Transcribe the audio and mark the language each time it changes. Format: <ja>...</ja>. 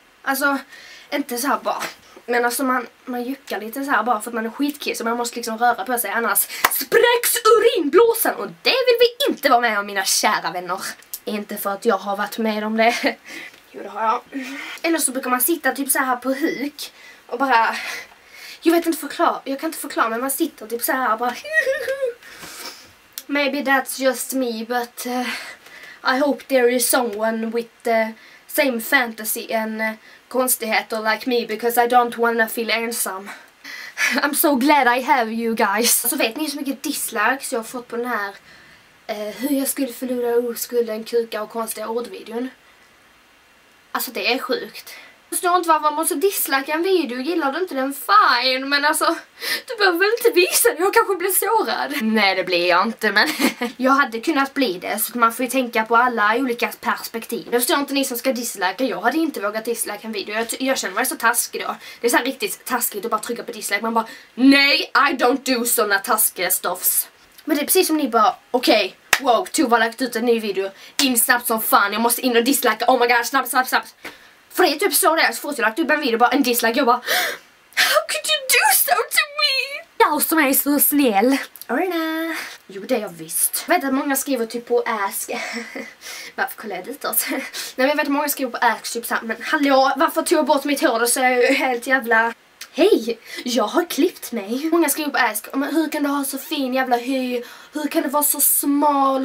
<sv>Alltså, inte så här bara. Men alltså, man juckar lite så här bara för att man är skitkiss och man måste liksom röra på sig, annars spräcks urinblåsan och det vill vi inte vara med om, mina kära vänner. Inte för att jag har varit med om det. Jo, det har jag. Eller så brukar man sitta typ så här på huk och bara, jag vet inte förklara, jag kan inte förklara, men man sitter typ så här bara.</sv> <en>Maybe that's just me, but I hope there is someone with the same fantasy and</en> <sv>konstigheter</sv> <en>like me, because I don't wanna feel ensome. I'm so glad I have you guys.</en> <sv>Så vet ni hur mycket dislikes jag har fått på den här hur jag skulle förlora oskulden, kuka och konstiga ordvideon? Alltså, det är sjukt. Jag förstår inte varför man måste dislika en video. Gillar du inte den? Fine. Men alltså, du behöver väl inte visa det. Jag kanske blir sårad. Nej, det blir jag inte, men... Jag hade kunnat bli det, så man får ju tänka på alla olika perspektiv. Jag förstår inte ni som ska dislika. Jag hade inte vågat dislika en video. Jag känner mig så taskig då. Det är så här riktigt taskigt att bara trycka på dislike. Man bara, nej,</sv> <en>I don't do</en> <sv>såna taskiga</sv> <en>stuffs.</en> <sv>Men det är precis som ni bara, okej.</sv> <en>Okay. Wow,</en> <sv>Tova har lagt ut en ny video. In snabbt som fan, jag måste in och dislike.</sv> <en>Oh my god,</en> <sv>snabbt. För det är typ så det är, så fort jag lagt upp en video, bara en dislike. Jag bara,</sv> <en>how could you do so to me?</en> <sv>Jag som är så snäll. Arena. Jo, det jag visst. Jag vet att många skriver typ på Ask. Varför kollar jag dit oss? Nej, men jag vet att många skriver på Ask typ såhär, men hallå, varför tog jag bort mitt hår? Så är jag ju helt jävla... Hej, jag har klippt mig. Många skriver på Ask, men hur kan du ha så fin jävla hy? Hur kan du vara så smal?</sv>